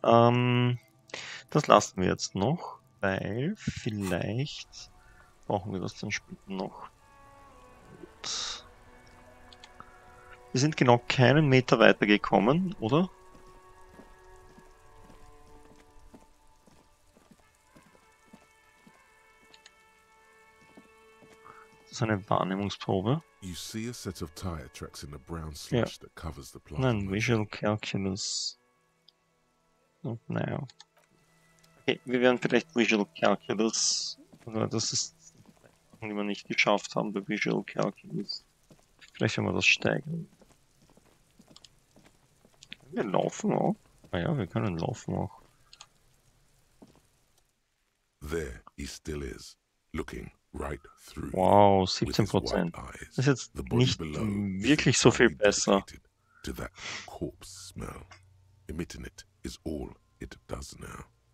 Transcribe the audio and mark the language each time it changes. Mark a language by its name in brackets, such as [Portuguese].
[German] Das lassen wir jetzt noch, weil vielleicht brauchen wir das dann später noch. Gut. Wir sind genau keinen Meter weiter gekommen, oder? Das ist eine Wahrnehmungsprobe. [English] You see a set of tire tracks in a brown slush that covers the plot. [German] Nein, Visual Calculus. [English] Not now. [German] Okay, wir werden vielleicht Visual Calculus. Oder das ist, die wir nicht geschafft haben bei Visual Calculus. Vielleicht werden wir das steigern. Wir laufen auch. Ah ja, wir können laufen auch. [English] There he still is, looking right through. [German] Wow, 17%. Das ist jetzt nicht wirklich so viel besser. [English] To that corpse smell. Emitting it is all it does now.